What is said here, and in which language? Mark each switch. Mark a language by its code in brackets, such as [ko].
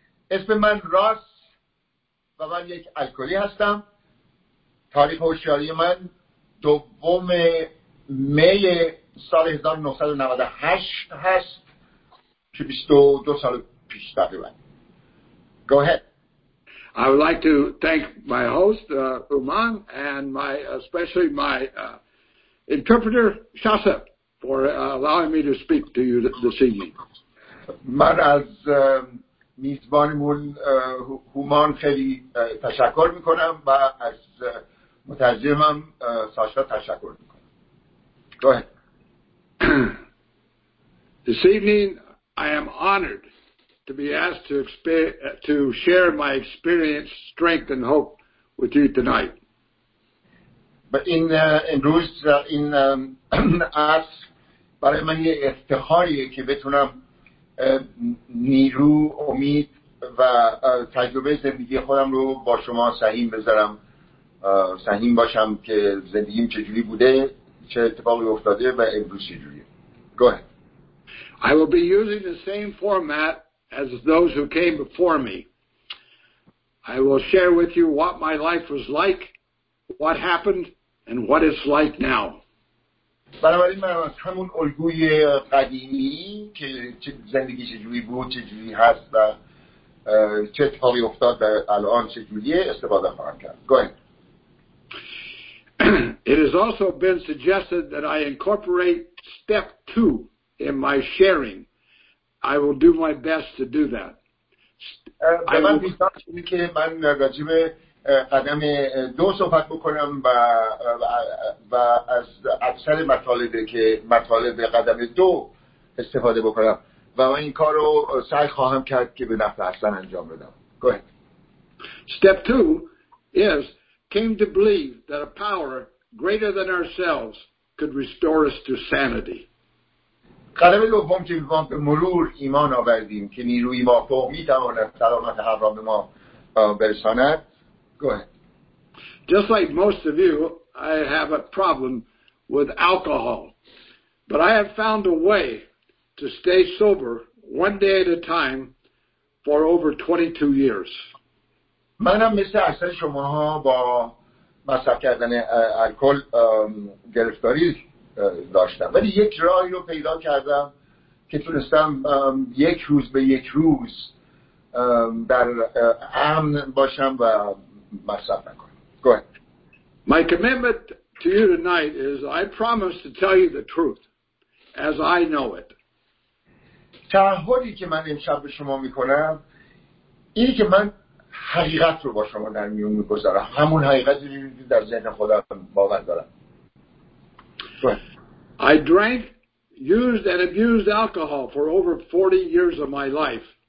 [fa] اسم من راس و من یک الکلی هستم. تاریخ هوشیاری من دوم می سال 1998 هست که 22 سال پیش تقریبا. [en] Go ahead. I would like to thank my host, Umang, and especially my interpreter, Shasha, for allowing me to speak to you this evening. [fa] من از میزبانمون هومان خیلی تشکر میکنم و از مترجمم ساشا تشکر میکنم. [en] This evening, I am honored to be asked to share my experience, strength, and hope with you tonight. But in us, [fa] برای من یه افتخاریه که بتونم نیرو، امید و تجربه زندگی خودم رو با شما سهیم بذارم، سهیم باشم که زندگیم چجوری بوده، چه اتفاقی افتاده و امروز چجوریه. [en] Go ahead. I will be using the same format as those who came before me. I will share with you what my life was like, what happened, and what it's like now. [fa] بنابراین من از همون الگوی قدیمی که چه زندگی چجوری بود، چجوری هست و چه اتفاقی افتاد و الان چجوریه استفاده خواهم کرد. [en] Go ahead. It has also been suggested that I incorporate step two in my sharing. I will do my best to do that. I want to start with [fa] که من راجب قدم دو صحبت بکنم و از اکثر مطالب قدم دو استفاده بکنم و من این کارو سعی خواهم کرد که به نفع احسن انجام بدم. [en] Go ahead. Step 2 is came to believe that a power greater than ourselves could restore us to sanity. [fa] قدم دوم که ما به مرور ایمان آوردیم که نیروی مافوق میتواند سلامت هر را به ما برساند. [en] Go ahead. Just like most of you, I have a problem with alcohol. But I have found a way to stay sober one day at a time for over 22 years. [fa] منم مثل اکثر شماها با مصرف کردن الکل گرفتاری داشتم، ولی یک راهی رو پیدا کردم که تونستم یک روز به یک روز در امن باشم و مصرف نکنم. [en] Go ahead. My commitment to you tonight is I promise to tell you the truth as I know it. [fa] تعهدی که من امشب به شما میکنم اینه که من حقیقت رو با شما در میون میگذارم، همون حقیقتی رو در ذهن خودم باور دارم. [en] Go ahead. I drank, used, and abused alcohol for over 40 years of my life.